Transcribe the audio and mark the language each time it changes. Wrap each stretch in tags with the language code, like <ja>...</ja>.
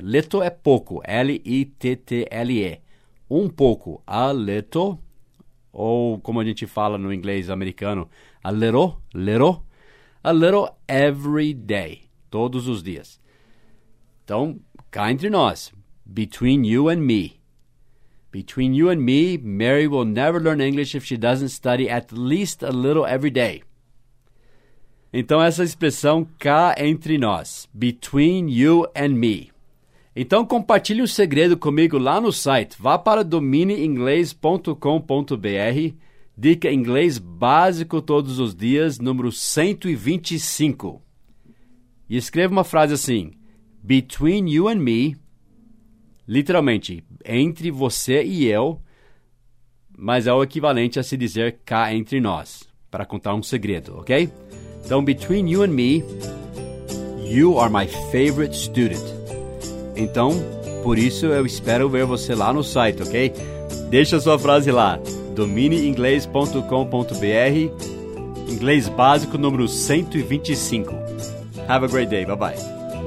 <pt>Little é pouco, L-I-T-T-L-E. Um pouco, a little. Ou como a gente fala no inglês americano,</pt> <en>a little, little, a little every day,</en> <pt>todos os dias. Então, cá entre nós,</pt> <en>between you and me. Between you and me, Mary will never learn English if she doesn't study at least a little every day.</en> <pt>Então, essa expressão cá entre nós,</pt> <en>between you and me.</en> <pt>Então, compartilhe um segredo comigo lá no site. Vá para dominiinglês.com.br. Dica inglês básico todos os dias, número 125. E escreva uma frase assim.</pt> <en>Between you and me.</en> <pt>Literalmente, entre você e eu. mas é o equivalente a se dizer cá entre nós, para contar um segredo, ok?</pt> <en>Então, between you and me, you are my favorite student.</en> <pt>Então, por isso eu espero ver você lá no site, ok? Deixa sua frase lá, domineinglês.com.br, inglês básico número 125.</pt> <en>Have a great day, bye bye.</en>